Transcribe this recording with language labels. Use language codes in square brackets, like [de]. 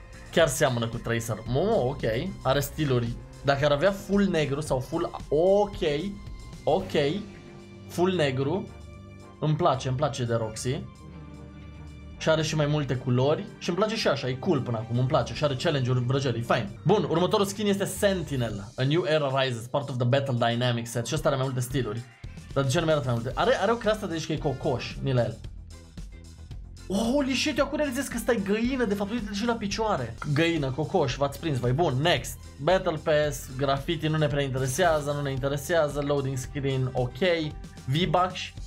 [ro] Chiar seamănă cu Tracer. Ok, are stiluri. Dacă ar avea full negru sau full... Ok. Ok, full negru. Îmi place de Roxy. Și are și mai multe culori. Și îmi place și așa, e cool până acum, îmi place. Și are challenge-uri, vrăjeli, fine. Bun, următorul skin este Sentinel. [en] A new era rises, part of the battle dynamic set. [ro] Și ăsta are mai multe stiluri. Dar de ce nu mi-arată mai multe? Are o creastă de aici că e cocoș, Nilel. [en] Holy shit, [ro] eu acum realizez că stai găină. De fapt, uite-l și la picioare. Găină, cocoș, v-ați prins voi. Bun, next. Battle Pass, graffiti nu ne prea interesează. Nu ne interesează, loading screen. Ok, V-Bucks.